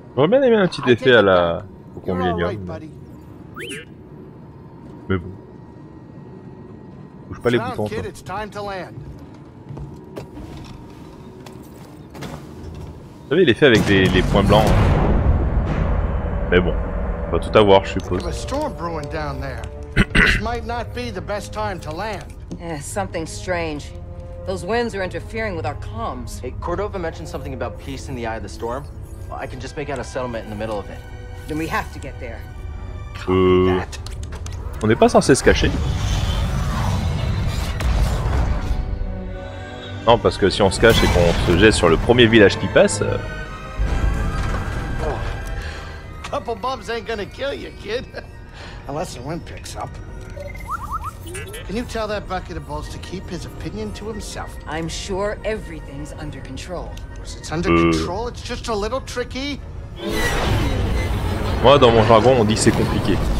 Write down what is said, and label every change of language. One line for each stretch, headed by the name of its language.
French: J'aurais bien aimé un petit effet à la... au Millennium. Mais bon. Bouge pas les boutons, toi. Vous savez, il est fait avec les points blancs. Mais bon, on va tout avoir, je suppose. Il y a un
English: storm brewing down there. This might not be the best time to land. Something strange. Those winds are interfering with our comms. Hey, Cordova mentioned something about peace in the eye of the storm. I can just make out a settlement in the middle of it. Then we have to get there.
French: On n'est pas censé se cacher. Non, parce que si on se cache et qu'on se jette sur le premier village qui passe.
English: Couple bombs ain't gonna kill you, kid. Unless the wind picks up. Can you tell that bucket of balls to keep his opinion to himself? I'm sure everything's under control. It's under control, it's just a little tricky.
French: Moi, dans mon jargon, on dit que c'est compliqué.